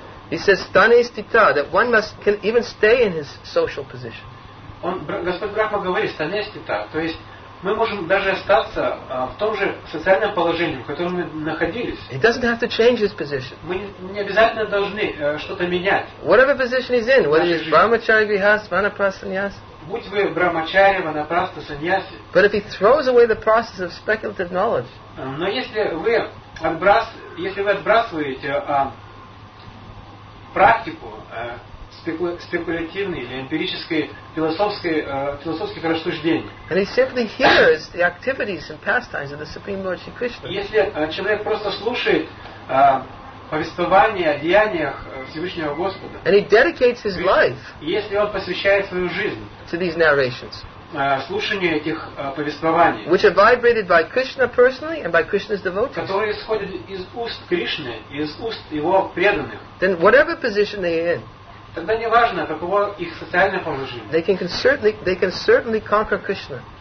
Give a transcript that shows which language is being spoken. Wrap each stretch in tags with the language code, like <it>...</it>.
<en>He says, станестита, that one must can even stay in his social position.</en> <ru>Господь Брахма говорит, станестита, то есть мы можем даже остаться в том же социальном положении, в котором мы находились.</ru> <en>He doesn't have to change his position.</en> <ru>Мы не обязательно должны что-то менять.</ru> <en>Whatever position he's in, whether he's brahmachari, grihastha, vanaprastha, sannyasi.</en> <ru>Будь вы брахмачари, ванапрастха, саньяси.</ru> <en>But if he throws away the process of speculative knowledge.</en> <ru>Но если вы отбрасываете практику спекулятивной или эмпирической философских рассуждений.</ru> <en>And he simply hears the activities and pastimes of the Supreme Lord Shri Krishna.</en> <ru>Если человек просто слушает повествование о деяниях Всевышнего Господа.</ru> <en>And he dedicates his life.</en> <ru>Если он посвящает свою жизнь</ru> <en>to these narrations.</en> <ru>Слушание этих повествований.</ru> <en>Which are vibrated by Krishna personally and by Krishna's devotees.</en> <ru>Которые исходят из уст Кришны, из уст его преданных.</ru> <en>Then whatever position they are in.</en> <ru>Тогда не важно, каково их социальное положение.</ru> <en>They can certainly conquer Krishna.</en>